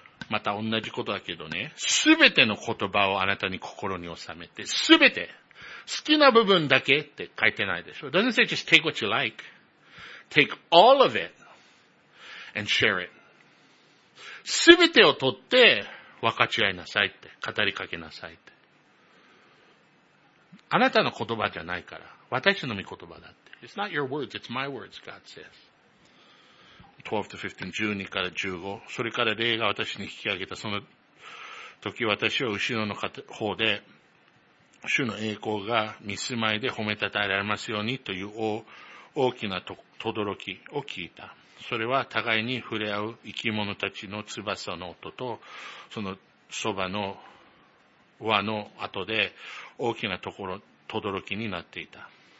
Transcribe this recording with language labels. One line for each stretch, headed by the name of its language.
Japanese: また同じことだけどね、すべての言葉をあなたに心に収めて、すべて、好きな部分だけって書いてないでしょ。
English: It doesn't say just take what you like. Take all of it and share it.
Japanese: すべてを取って分かち合いなさいって、語りかけなさいって。あなたの言葉じゃないから。私の御言葉だって。
English: It's not your words, it's my words, God says. 12 to 15,
Japanese: 12から15。それから霊が私に引き上げた。その時私は後ろの方で、主の栄光が見住まいで褒めたたえられますようにという大きなとどろきを聞いた。それは互いに触れ合う生き物たちの翼の音と、そのそばの輪の後で大きなところ、とどろきになっていた。